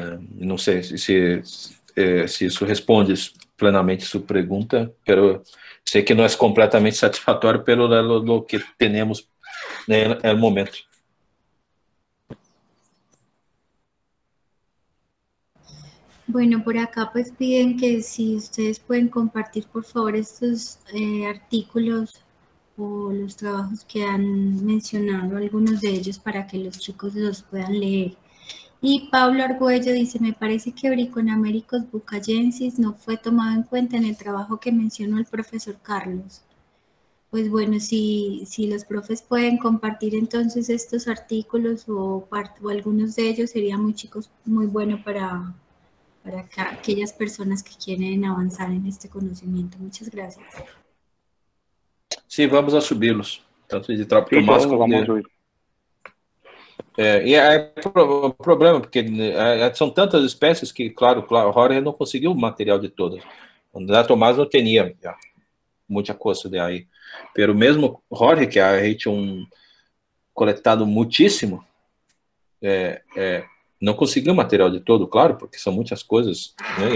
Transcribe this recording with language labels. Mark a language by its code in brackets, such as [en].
[pt] Não sei se isso responde plenamente sua pergunta, mas sei que não é completamente satisfatório pelo que temos no momento. [es] Bueno, por acá pues piden que si ustedes pueden compartir por favor estos artículos o los trabajos que han mencionado, algunos de ellos para que los chicos los puedan leer. Y Pablo Argüello dice, me parece que Briconaméricos bucayensis no fue tomado en cuenta en el trabajo que mencionó el profesor Carlos. Pues bueno, si los profes pueden compartir entonces estos artículos o algunos de ellos, sería muy chicos, muy bueno para aquellas personas que quieren avanzar en este conocimiento. Muchas gracias. Sí, vamos a subirlos. Entonces, de trabajo sí, más vamos, vamos a subir. [pt] É um problema, porque são tantas espécies que, claro, Jorge não conseguiu o material de todas. O André Tomás não tinha muita coisa de aí. Mas mesmo Jorge, que a gente tinha coletado muitíssimo, não conseguiu o material de todo, claro, porque são muitas coisas, né?